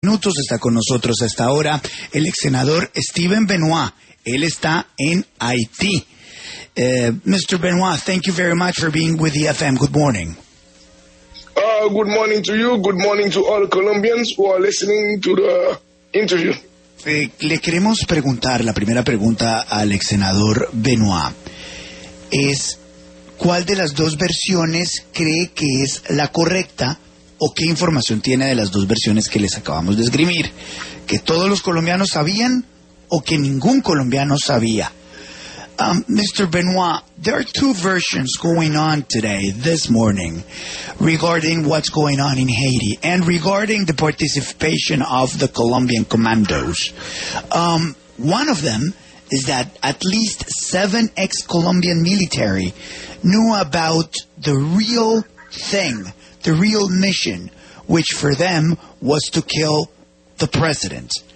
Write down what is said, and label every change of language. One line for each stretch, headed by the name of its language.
Spanish: Minutos está con nosotros hasta ahora el ex senador Steven Benoit. Él está en Haití. Mr.
English: Benoit, thank you very much for being with the FM. Good morning. Good morning to you. Good morning to all Colombians who are listening to the interview.
Spanish: Le queremos preguntar, la primera pregunta al ex senador Benoit es: ¿cuál de las dos versiones cree que es la correcta? ¿O qué información tiene de las dos versiones que les acabamos de esgrimir? ¿Que todos los colombianos sabían o que ningún colombiano sabía?
English: Mr. Benoit, there are two versions going on today, this morning, regarding what's going on in Haiti and regarding the participation of the Colombian commandos. One of them is that at least seven ex-Colombian military knew about the real thing, the real mission, which for them was to kill the president.